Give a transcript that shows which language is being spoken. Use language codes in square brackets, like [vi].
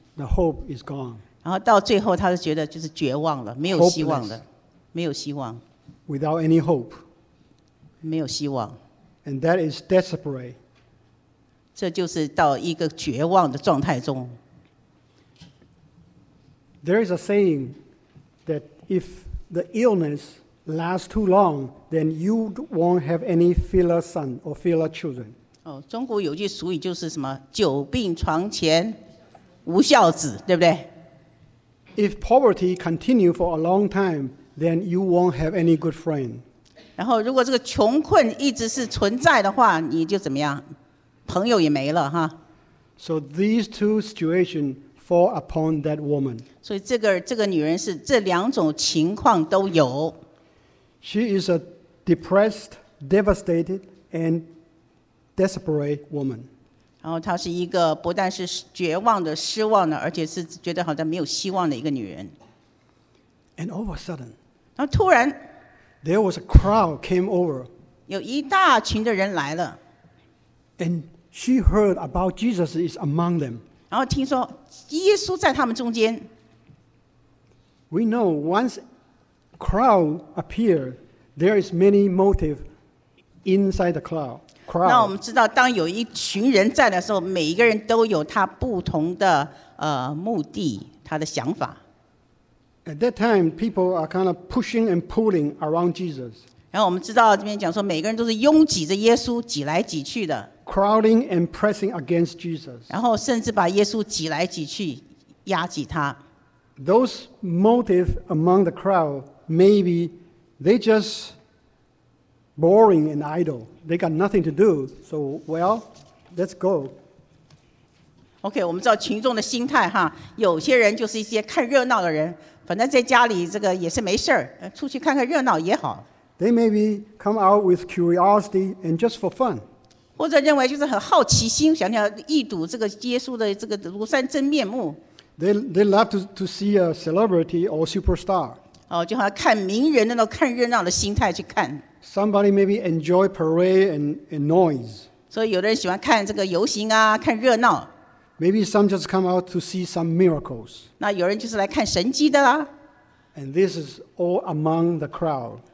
[en] The hope is gone. [zh] 然后到最后他是觉得就是绝望了，没有希望的。 [en] Hopeless. [zh] 没有希望。 [en] Without any hope. [zh] 没有希望。 [en] And that is desperate. [zh] 这就是到一个绝望的状态中。 [en] There is a saying that if the illness lasts too long, then you won't have any filler son or filler children. [zh] 哦，中国有句俗语就是什么"久病床前无孝子"，对不对 [en] ？If poverty continue for a long time, then you won't have any good friend. [zh] 然后，如果这个穷困一直是存在的话，你就怎么样？朋友也没了哈。 [en] So these two situations fall upon that woman. [zh] 所以这个女人是这两种情况都有。 [en] She is a depressed, devastated, and desperate woman. [zh] 然后她是一个不但是绝望的、失望的，而且是觉得好像没有希望的一个女人。 [en] And all of a sudden, [zh] 然后突然 [en] ，there was a crowd came over. [zh] 有一大群的人来了。 [en] And She heard about Jesus is among them. [zh] 然后听说耶稣在他们中间。 [en] We know once crowd appear, there is many motive inside the crowd. [zh] 那我们知道，当有一群人在的时候，每一个人都有他不同的目的，他的想法。 [en] At that time, people are kind of pushing and pulling around Jesus. [zh] 然后我们知道这边讲说，每个人都是拥挤着耶稣，挤来挤去的。 [en] Crowding and pressing against Jesus. [zh] 然后甚至把耶稣挤来挤去，压挤他。 [en] Those motives among the crowd, maybe they just boring and idle. They got nothing to do. So, well, let's go. [zh] Okay, 我们知道群众的心态哈，有些人就是一些看热闹的人，反正在家里这个也是没事儿，出去看看热闹也好。 [en] They maybe come out with curiosity and just for fun. [zh] 或者认为就是很好奇心，想要一睹这个耶稣的这个庐山真面目。 [en] They love to see a celebrity or superstar. [zh] 哦，就好像看名人那种看热闹的心态去看。 [en] Somebody maybe enjoy parade and noise. [zh] 所以有的人喜欢看这个游行啊，看热闹。 [en] Maybe some just come out to see some miracles. [zh] 那有人就是来看神迹的啦。 [en] And this is all among the crowd.